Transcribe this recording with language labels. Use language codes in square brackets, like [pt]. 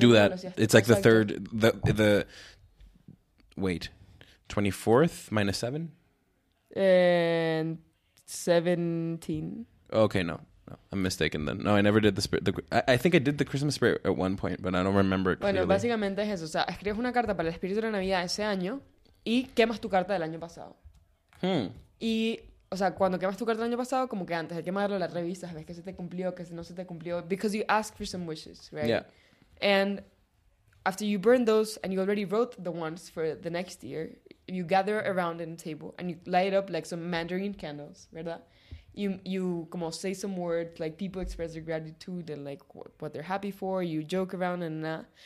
[en] do that. It's like the third. The Wait, 24th minus 7? And 17. Okay, no. I'm mistaken then. No, I never did the spirit. I think I did the Christmas spirit at one point, but I don't remember it [es] bueno, [en] clearly. [es] Básicamente es eso. O sea, escribes una carta para el espíritu de la Navidad ese año y quemas tu carta del año pasado. Hmm. Y, o sea, cuando quemas tu carta del año pasado, como que antes de quemarla la revisas, ves que se te cumplió, que no se te cumplió. [en] Because you ask for some wishes, right? Yeah. And... After you burn those and you already wrote the ones for the next year, you gather around in a table and you light up like some mandarin candles, [es] ¿verdad? [en] you [es] como [en] say some words, like people express their gratitude and like what they're happy for, you joke around and that.